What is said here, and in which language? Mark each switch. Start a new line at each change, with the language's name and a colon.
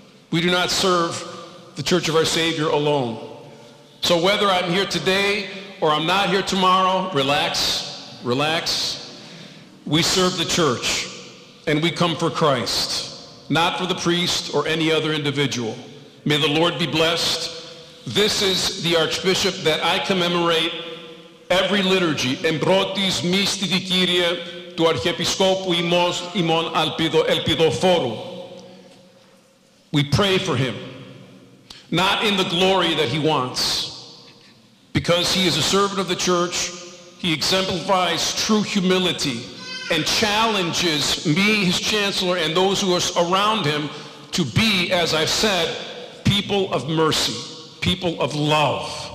English: We do not serve the Church of our Savior alone. So whether I'm here today or I'm not here tomorrow, relax, relax. We serve the church and we come for Christ, not for the priest or any other individual. May the Lord be blessed. This is the Archbishop that I commemorate every liturgy.
Greek: Embrotis mystici Kyrie του Αρχιεπισκόπου ημών Ελπιδοφόρου.
English: We pray for him, not in the glory that he wants, because he is a servant of the church. He exemplifies true humility and challenges me, his chancellor, and those who are around him to be, as I've said, people of mercy, people of love.